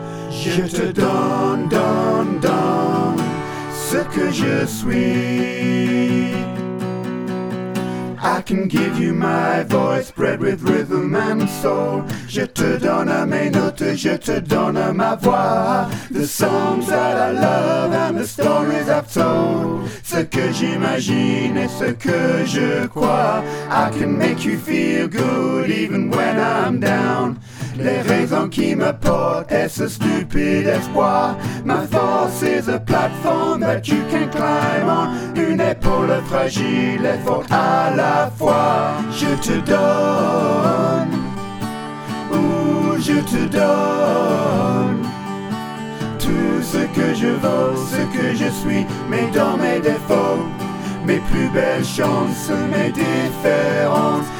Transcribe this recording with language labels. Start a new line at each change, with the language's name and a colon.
French: Je te donne, donne ce que je suis.
English: I can give you my voice bred with rhythm and soul.
French: Je te donne mes notes, je te donne ma voix.
English: The songs that I love and the stories I've told.
French: Ce que j'imagine et ce que je crois.
English: I can make you feel good even when I'm down.
French: Les raisons qui me portent est ce stupide espoir.
English: My force is a platform that you can climb on.
French: Une épaule fragile et forte à la fois. Je te donne, ouh, je te donne tout ce que je vaux, ce que je suis. Mes dons, mes défauts, mes plus belles chances, mes différences.